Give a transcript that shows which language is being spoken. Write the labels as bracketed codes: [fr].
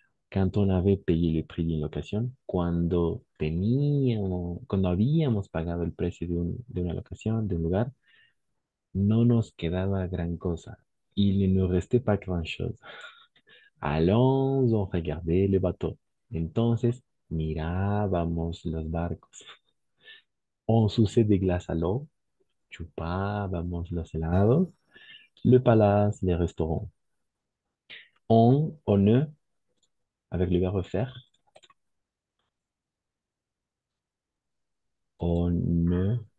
[fr] Quand on avait payé le prix d'une location, [es] cuando habíamos pagado el precio de una locación, de un lugar, no nos quedaba gran cosa. [fr] Il ne nous restait pas grand-chose. Allons, on regardait le bateau. [es] Entonces, mirábamos los barcos. [fr] On suçait des glaces à l'eau. [es] Chupábamos los helados. [fr] Le palace, les restaurants. On, ne, avec le verbe faire. On ne